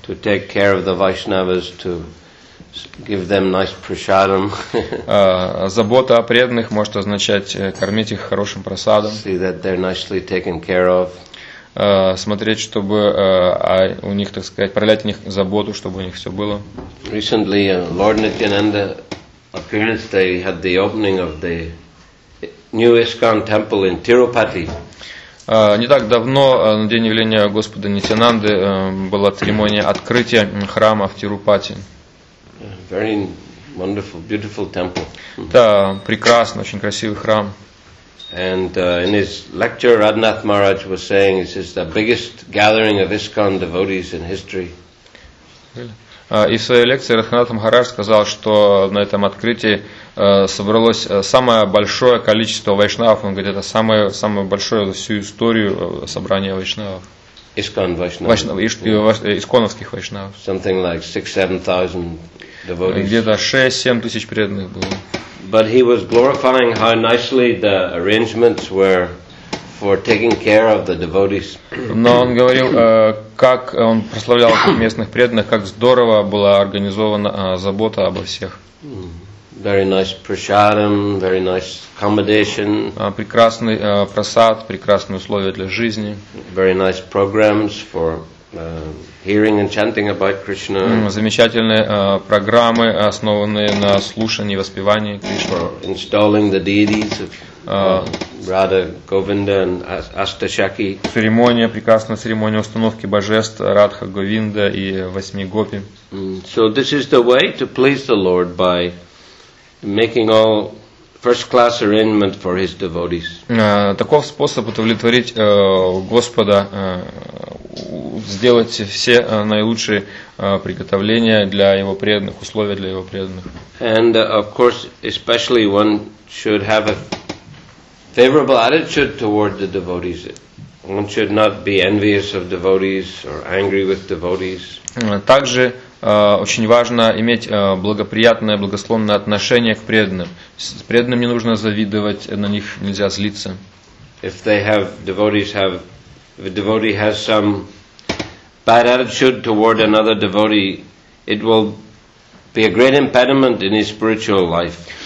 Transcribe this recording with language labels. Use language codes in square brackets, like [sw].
[en] To take care of the Vaishnavas, to give them nice prasadam. [ru] Забота о преданных может означать кормить их хорошим прасадом. [en] See that they're nicely taken care of. [ru] Смотреть, чтобы у них, так сказать, проявлять о них заботу, чтобы у них все было. [en] Recently, Lord Nityananda appearance, they had the opening of the new ISKCON temple in Tirupati. [ru] Не так давно, на день явления Господа Нитянанды, была церемония открытия храма в Тирупати. [en] Very wonderful, beautiful temple. [ru] Да, прекрасный, очень красивый храм. [en] And in his lecture, Radhanath Maharaj was saying, "This is the biggest gathering of ISKCON devotees in history." [ru] И в своей лекции Радханат Махарадж сказал, что на этом открытии собралось самое большое количество вайшнавов. Он говорит, это самое большое за всю историю собрания вайшнавов. ISKCON вайшнавов. Исконовских вайшнавов. [en] Something like 6-7,000 devotees. [ru] Где-то 6-7 тысяч преданных было. [en] But he was glorifying how nicely the arrangements were for taking care of the devotees. [ru] Но он говорил, как он прославлял местных преданных, как здорово была организована забота обо всех. [en] Very nice prasadam, very nice accommodation. [ru] Прекрасный просад, прекрасные условия для жизни. [en] Very nice programs for hearing and chanting about Krishna. [ru] Замечательные программы, основанные на слушании и воспевании Кришны. [en] Installing the deities of Radha Govinda and Astashaki. [ru] Церемония, прекрасная церемония установки божеств Радха Говинда и восьми гопи. [en] So this is the way to please the Lord by making all first-class arrangement for his devotees. [ru] Таков способ удовлетворить Господа, сделать все наилучшие приготовления для его преданных, условия для его преданных. [en] And of course, especially one should have a favorable attitude toward the devotees. One should not be envious of devotees or angry with devotees. [ru] Также очень важно иметь благоприятное, благосклонное отношение к преданным. С преданным не нужно завидовать, на них нельзя злиться. [en] If they have devotees have, if a devotee has some bad attitude toward another devotee, it will be a great impediment in his spiritual life.